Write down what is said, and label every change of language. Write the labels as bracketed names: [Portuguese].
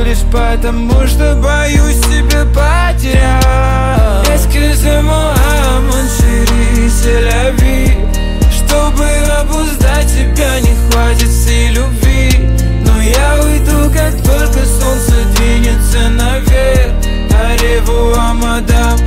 [Russian] Потому что боюсь себя потерять. [French] Excusez-moi, mon chéri, c'est la vie. [Russian] Чтобы обуздать тебя, не хватит всей любви. Но я уйду, как только солнце двинется наверх. [French] Ареву, амадам.